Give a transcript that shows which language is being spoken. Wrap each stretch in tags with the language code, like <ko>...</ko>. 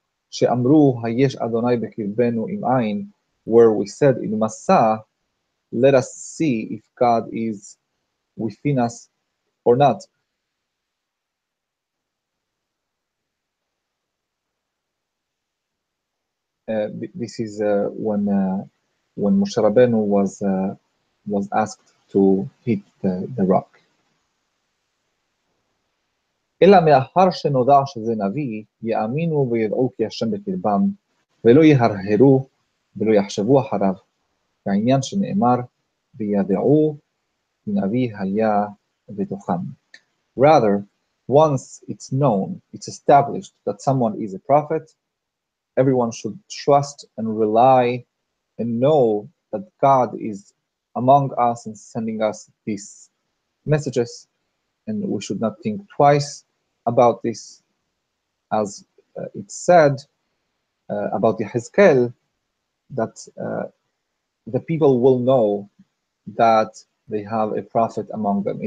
<he>She'amru hayesh Adonai bekirbenu im ayin,</he> <en>where we said in Masa, let us see if God is within us or not. This is when Moshe Rabbeinu was asked to hit the rock.</en> <he>אלא מאחר שנודע שזה נביא, יאמינו וידעו כי השם בקרבם, ולא יהרהרו ולא יחשבו אחריו, כעניין שנאמר, וידעו כי נביא היה בתוכם.</he> <en>Rather, once it's known, it's established that someone is a prophet, everyone should trust and rely and know that God is among us and sending us these messages, and we should not think twice about this, as it's said about Yehezkel, that the people will know that they have a prophet among them.</en>